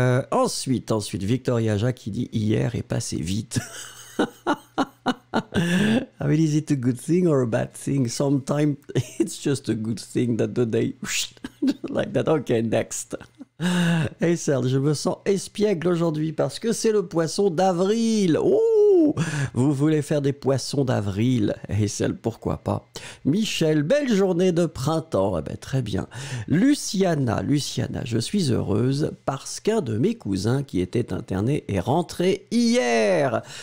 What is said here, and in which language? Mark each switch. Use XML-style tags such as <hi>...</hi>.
<fr>Ensuite, Victoria Jacques qui dit, hier est passé vite.</fr> <en>I mean, is it a good thing or a bad thing? Sometimes it's just a good thing that the day like that. Okay, next.</en> <fr>Hey Serge, je me sens espiègle aujourd'hui parce que c'est le poisson d'avril. Oh, vous voulez faire des poissons d'avril? Hey Serge, pourquoi pas? Michel, belle journée de printemps. Eh ben, très bien. Luciana, je suis heureuse parce qu'un de mes cousins qui était interné est rentré hier.</fr>